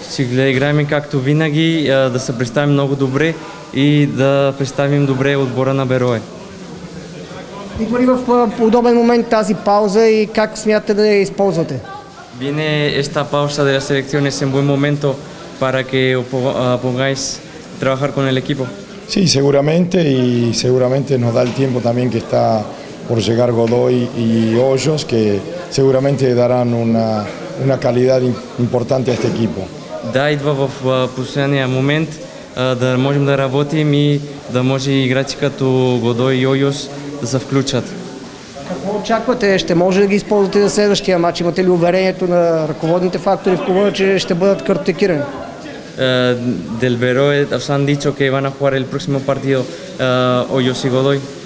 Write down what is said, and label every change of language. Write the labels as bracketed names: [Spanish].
[Bulgarian] Си гледаме както винаги, да се представим много добре и да представим добре отбора на Берое. Има ли в подобен момент тази пауза и как смятате да я използвате? [Spanish] Viene esta pausa de las selecciones en buen momento para que pongáis trabajar con el equipo. Sí, seguramente y seguramente nos da el tiempo también que está por llegar Godoy y Hoyos que seguramente darán una calidad importante a este equipo. [Bulgarian] Да, идва в последния момент да можем да работим и да може играчи като Годой и Ойос да се включат. Какво очаквате? Ще може да ги използвате за следващия матч? Имате ли уверението на ръководните фактори в клуба, че ще бъдат картотекирани? [Spanish] Del Берое han dicho que van a jugar el próximo partido Ойос и Годой.